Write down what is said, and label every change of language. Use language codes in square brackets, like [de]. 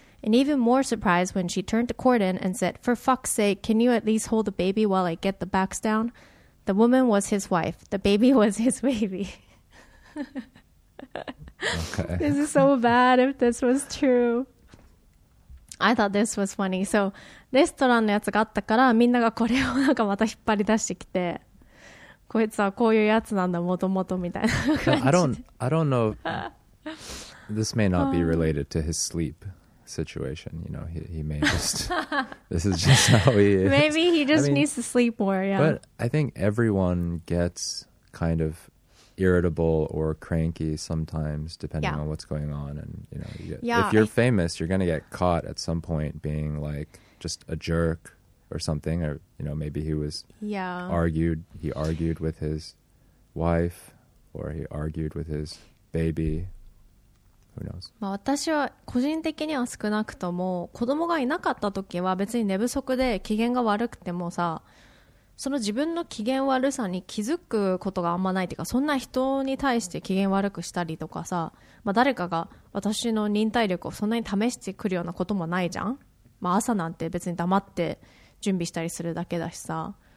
[en] And even more surprised when she turned to Corden and said, "For fuck's sake, can you at least hold the baby while I get the backs down?" The woman was his wife. The baby was his baby. Okay. This is so bad if this was true. I thought this was funny. So, [ja] レストランのやつがあったから、みんながこれをなんかまた引っ張り出してきて、こいつはこういうやつなんだ、もともとみたいな感じで。 [en] I don't know. This may not be related to his sleep situation. You know, he may just... this is just how he is. Maybe he just needs to sleep more, yeah. But I think everyone gets kind of irritable or cranky sometimes depending on what's going on, and you know, if you're famous, you're gonna get caught at some point being like just a jerk or something, or you know, maybe he was argued with his wife or he argued with his baby, who knows. [ja] まあ私は個人的には少なくとも子供がいなかった時は別に寝不足で機嫌が悪くてもさ、その自分の機嫌悪さに気づくことがあんまないっていうか、そんな人に対して機嫌悪くしたりとかさ、まあ、誰かが私の忍耐力をそんなに試してくるようなこともないじゃん、まあ、朝なんて別に黙って準備したりするだけだしさ、